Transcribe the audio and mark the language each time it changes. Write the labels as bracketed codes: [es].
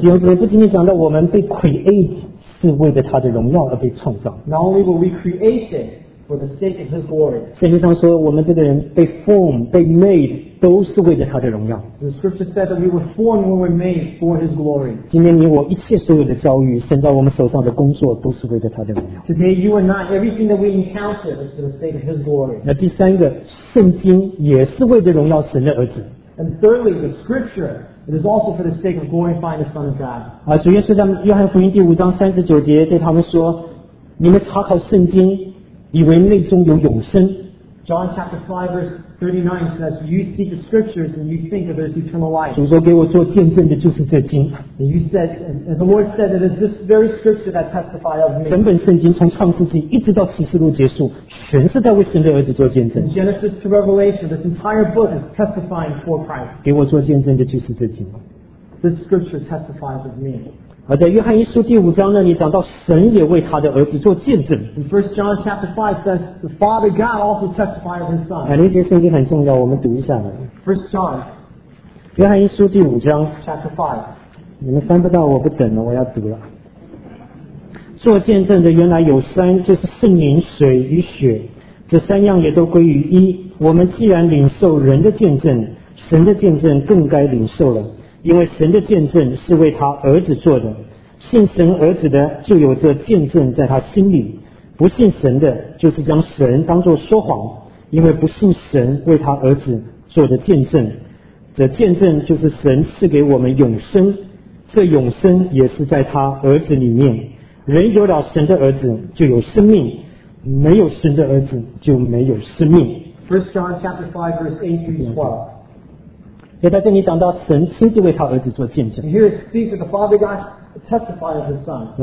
[zh] 弟兄姊妹，不仅仅讲到我们被 created 是为了他的荣耀而被创造。 [en] Not only were we created for the sake of his glory. [zh] 圣经上说，我们这个人被 formed, 被 made, 都是为了他的荣耀。 [en] The scripture said that we were formed when we were made for his glory. [zh] 今天你我一切所有的遭遇，现在我们手上的工作，都是为了他的荣耀。 [en] Today you and I, everything that we encounter is for the sake of his glory. [zh] 那第三个，圣经也是为了荣耀神的儿子。 [en] And thirdly, the scripture, it is also for the sake of glorifying the Son of God. [zh] 主耶稣在约翰福音第五章三十九节对他们说，你们查考圣经，以为内中有永生。 [en] John chapter 5 verse 39 says, you seek the scriptures and you think that there's eternal life. [zh] 主说给我做见证的就是这经。 [en] And you said, and the Lord said, it is this very scripture that testifies of me. [zh] 整本圣经从创世纪一直到启示录结束，全是在为神的儿子做见证。 [en] In Genesis to Revelation, this entire book is testifying for Christ. [zh] 给我做见证的就是这经。 [en] This scripture testifies of me. [zh] 而在约翰一书第五章那里讲到神也为他的儿子做见证。 [en] In 1 John chapter 5 says, the Father God also testified of his son. [zh] 那些圣经很重要，我们读一下来。 [en] First John. [zh] 约翰一书第五章。 [en] Chapter 5. [zh] 你们翻不到我不等了，我要读了。做见证的原来有三，就是圣灵、水与血。这三样也都归于一。我们既然领受人的见证，神的见证更该领受了。因为神的见证是为他儿子做的，信神儿子的就有这见证在他心里，不信神的就是将神当作说谎，因为不信神为他儿子做的见证，这见证就是神赐给我们永生，这永生也是在他儿子里面。人有了神的儿子就有生命，没有神的儿子就没有生命。 [en] 1 John chapter 5 verse 8 through 12 [zh] 也在这里讲到神亲自为他儿子做见证。 [en] Here it speaks of the Father God testifying of His Son.